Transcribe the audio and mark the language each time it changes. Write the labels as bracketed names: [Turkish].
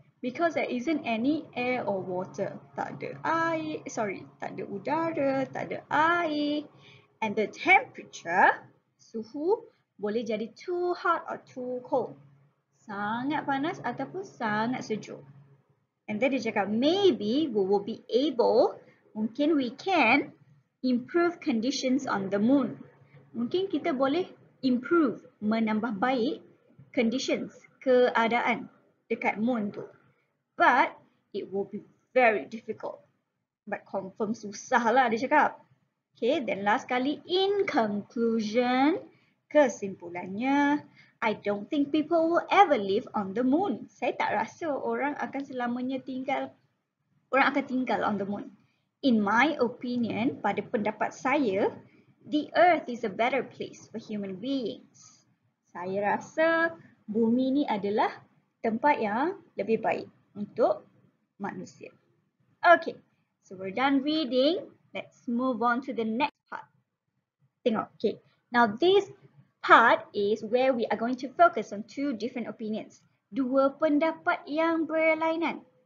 [English] Because there isn't any air or water. [Malay] Tak ada udara, tak ada air. [English] And the temperature, suhu, [Malay] boleh jadi [English] too hot or too cold. [Malay] Sangat panas ataupun sangat sejuk. [English] And then [Malay] dia cakap, [English] maybe we will be able, [Malay] mungkin [English] we can, improve conditions on the moon. [Malay] Mungkin kita boleh improve, menambah baik conditions, keadaan dekat moon tu. [English] But it will be very difficult. But confirm [Malay] susah lah dia cakap. [English] Okay, then last kali, in conclusion, kesimpulannya, I don't think people will ever live on the moon. [Malay] Saya tak rasa orang akan selamanya tinggal, orang akan tinggal [English] on the moon. In my opinion, [Malay] pada pendapat saya, [English] the earth is a better place for human beings. [Malay] Saya rasa bumi ni adalah tempat yang lebih baik untuk manusia. [English] Okay, so we're done reading. Let's move on to the next part. Tengok, okay. Now this part is where we are going to focus on two different opinions. [Malay] Dua pendapat yang berlainan.